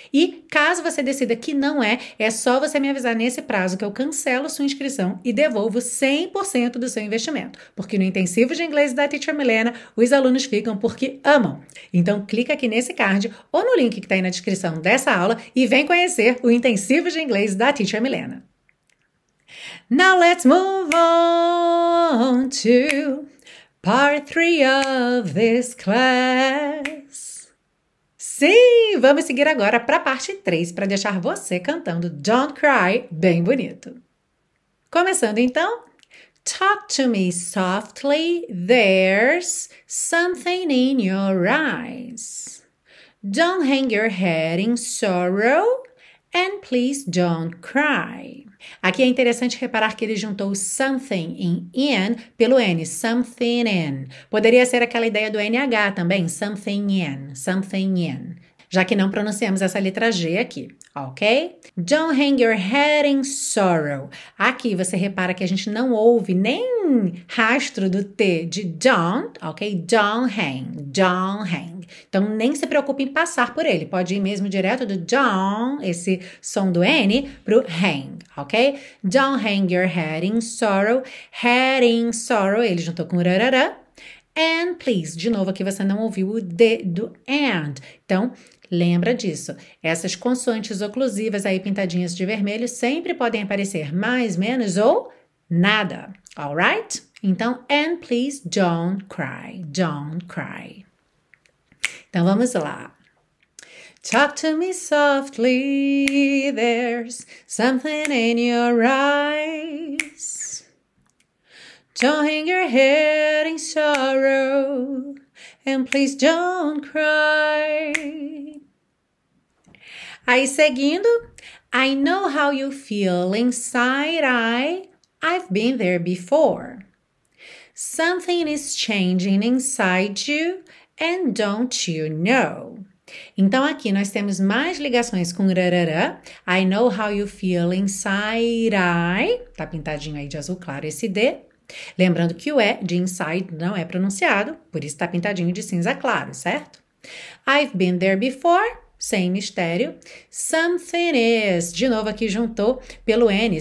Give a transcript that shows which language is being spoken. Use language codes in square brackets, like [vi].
[pt] E caso você decida que não é, é só você me avisar nesse prazo que eu cancelo sua inscrição e devolvo 100% do seu investimento. Porque no intensivo de inglês da Teacher Milena, os alunos ficam porque amam. Então, clica aqui nesse card ou no link que está aí na descrição dessa aula e vem conhecer o intensivo de inglês da Teacher Milena. [en] Now let's move on to part 3 of this class. [pt] Sim, vamos seguir agora para a parte 3 para deixar você cantando Don't Cry bem bonito. [en] Começando então, talk to me softly, there's something in your eyes. Don't hang your head in sorrow. And please don't cry. [pt] Aqui é interessante reparar que ele juntou something in pelo N, something in. Poderia ser aquela ideia do NH também, something in, something in. Já que não pronunciamos essa letra G aqui, ok? [en] Don't hang your head in sorrow. [pt] Aqui você repara que a gente não ouve nem rastro do T de don't, ok? [en] Don't hang, don't hang. [pt] Então nem se preocupe em passar por ele. Pode ir mesmo direto do don't, esse som do N, pro hang, ok? [en] Don't hang your head in sorrow. Head in sorrow, [pt] ele juntou com rarará. [en] And please, [pt] de novo aqui você não ouviu o D do and. Então, lembra disso. Essas consoantes oclusivas aí pintadinhas de vermelho sempre podem aparecer mais, menos ou nada. [en] All right? Então, and please don't cry. Don't cry. [pt] Então vamos lá. [en] Talk to me softly, there's something in your eyes. Don't hang your head in sorrow, and please don't cry. Aí seguindo, I know how you feel inside, I've been there before. Something is changing inside you and don't you know? [pt] Então aqui nós temos mais ligações com rarará. [en] I know how you feel inside, [pt] tá pintadinho aí de azul claro esse D. Lembrando que o E de inside não é pronunciado, por isso está pintadinho de cinza claro, certo? [en] I've been there before, [pt] sem mistério. [en] Something is, [pt] de novo aqui juntou pelo N.